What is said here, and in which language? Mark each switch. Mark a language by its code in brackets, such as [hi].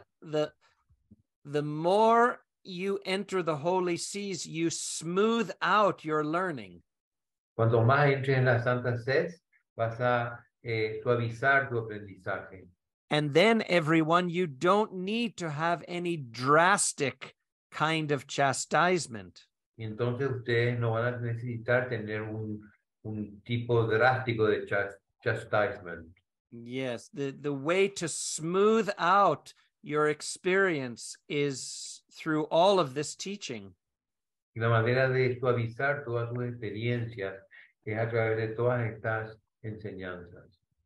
[en] Alicia, the more you enter the holy seas, you smooth out your learning. [es] Cuanto más entres en la Santa Sed, vas a suavizar tu aprendizaje. [en] And then, everyone, you don't need to have any drastic kind of chastisement. [es] Entonces, ustedes no van a necesitar tener un tipo drástico de chastisement. [en] Yes, the way to smooth out your experience is through all of this teaching. [es] Y la manera de suavizar todas tus experiencias es a través de todas estas enseñanzas.